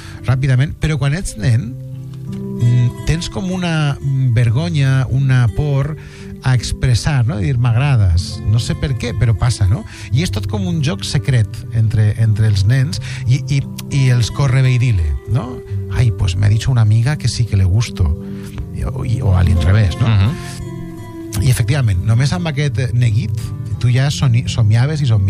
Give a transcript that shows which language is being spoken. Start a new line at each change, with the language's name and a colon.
Catalan: ràpidament, però quan ets nen tens com una vergonya, una por a expressar, no? A dir m'agrades, no sé per què, però passa, no? I és tot com un joc secret entre els nens i els corre
Spanish: ve i dile,
Catalan: no?
Spanish: Ai, pues me ha dicho una amiga que sí que le gusto,
Catalan: o a l'inrevés,
Spanish: no?
Catalan: I efectivament, només amb aquest neguit tu ja somiaves.